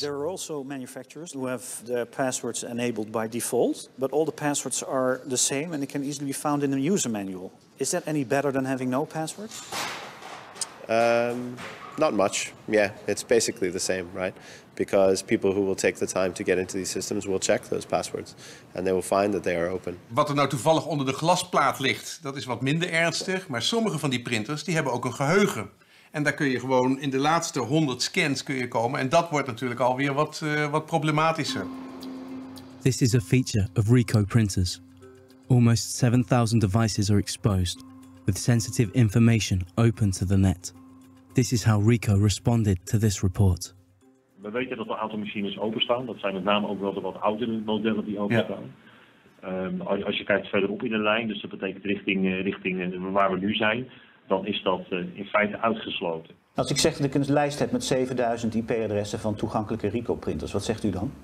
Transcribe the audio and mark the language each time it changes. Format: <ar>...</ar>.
<en>There are also manufacturers who have their passwords enabled by default, but all the passwords are the same and it can easily be found in the user manual. Is that any better than having no passwords? Not much, yeah. It's basically the same, right? Because people who will take the time to get into these systems will check those passwords and they will find that they are open.</en> <nl>Wat er nou toevallig onder de glasplaat ligt, dat is wat minder ernstig, maar sommige van die printers die hebben ook een geheugen. En daar kun je gewoon in de laatste 100 scans kun je komen. En dat wordt natuurlijk alweer wat problematischer.</nl> <en>This is a feature of Ricoh printers. Almost 7,000 devices are exposed, with sensitive information open to the net. This is how Ricoh responded to this report.</en> <nl>We weten dat een aantal machines openstaan. Dat zijn met name ook wel de wat oudere modellen die openstaan. Ja. Als je kijkt verderop in de lijn, dus dat betekent richting waar we nu zijn, dan is dat in feite uitgesloten. Als ik zeg dat ik een lijst heb met 7000 IP-adressen van toegankelijke Ricoh printers, wat zegt u dan?</nl>